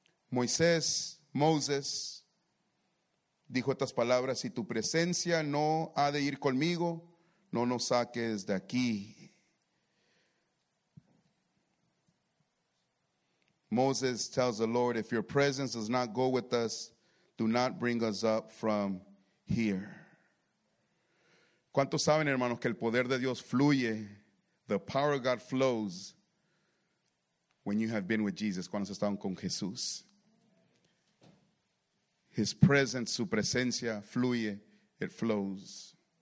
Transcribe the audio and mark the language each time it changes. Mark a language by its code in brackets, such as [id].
[es] Moses dijo estas palabras, si tu presencia no ha de ir conmigo, no nos saques de aquí. [en] Moses tells the Lord, if your presence does not go with us, do not bring us up from here. [es] ¿Cuántos saben, hermanos, que el poder de Dios fluye? [en] The power of God flows when you have been with Jesus, [es] cuando has estado con Jesús. [en] His presence, [es] su presencia, fluye, [en] it flows.